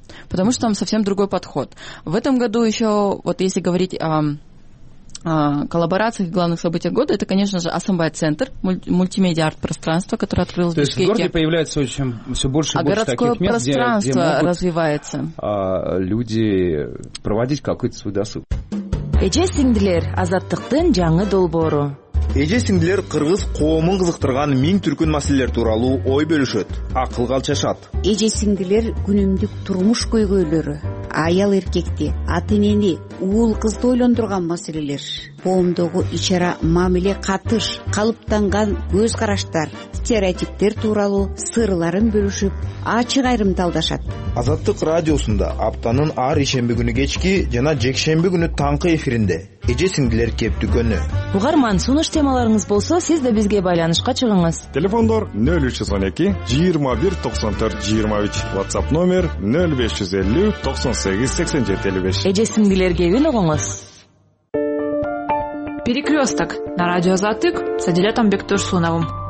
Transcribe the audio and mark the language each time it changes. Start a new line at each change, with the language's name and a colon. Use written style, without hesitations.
Russian: Потому что там совсем другой подход. В этом году еще, вот если говорить о коллаборациях и главных событиях года, это, конечно же, Асамбай-центр, мультимедиа-арт-пространство, которое открылось в Бишкеке. То есть в городе появляется все больше и больше таких мест, городское пространство где могут, развивается. Люди проводить какой-то свой досуг.
Kyrgyz: Эже сиңдилер азаттыктын жаңы долбоору. Эже сиңдилер кыргыз коомун кызыктырган миң түркүн маселелер тууралуу ой бөлүшөт, акыл калчашат. Эже сиңдилер күнүмдүк турмуш көйгөйлөрү, аял эркекти, ата-энени, уул кызды ойлондурган маселелер, коомдогу ичара мамиле катыш, калыптанган көз караштар, стереотиптер тууралуу сырларын бөлүшүп, ачык айрымталдашат. Азаттык радиосунда аптанын ар ишемби күнү кечки жана жекшемби күнү таңкы эфиринде Эже сиңдилер кептүгөнү. Угарман, сунуш темаларыңыз болсо, сиз да бизге байланышка чыгыңыз. Телефондор 0312-21-94-23, WhatsApp номер 0550-98-87-55. Эже сиңдилерге үнугуңуз.
Russian: Перекрёсток на радио Затык с Адилетом Бектурсуновым.